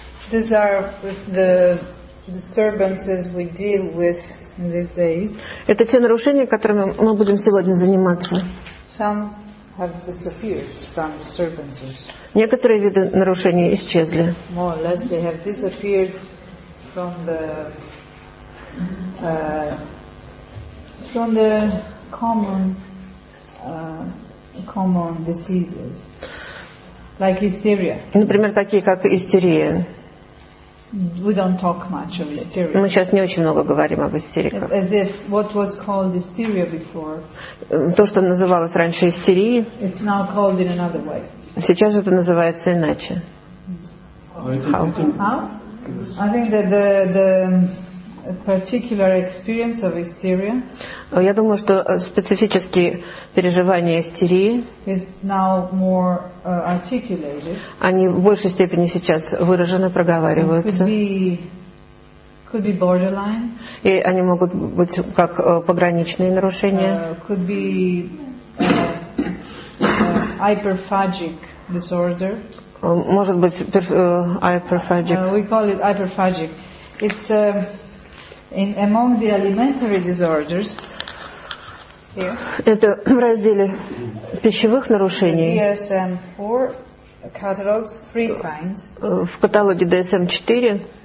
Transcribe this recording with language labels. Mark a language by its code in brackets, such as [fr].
[en] These are the disturbances we deal with in these days. [ru] Это те нарушения, которыми мы будем сегодня заниматься. [en] Have disappeared, some disturbances. [ru] Некоторые виды нарушений исчезли. [en] More or less they have disappeared from the common diseases. Like hysteria. [ru] Например, такие как истерия. [en] We don't talk much of hysteria. [ru] Мы сейчас не очень много говорим об истериках. [en] As if what was called hysteria before. [ru] То, что называлось раньше истерией. [en] It's now called in another way. [ru] Сейчас это называется иначе. [en] How? I think that the particular experience of hysteria. [ru] Я думаю, что специфические переживания истерии. [en] Is now more articulated. [ru] Они в большей степени сейчас выражены, проговариваются. [en] Could be borderline. [ru] И они могут быть как пограничные нарушения. [en] Could be hyperphagic disorder. [ru] Может быть hyperphagic. [en] We call it hyperphagic. It's in among the alimentary disorders. [ru] Это в разделе пищевых нарушений. [en] DSM-4 catalogs three kinds. [ru] В каталоге DSM-4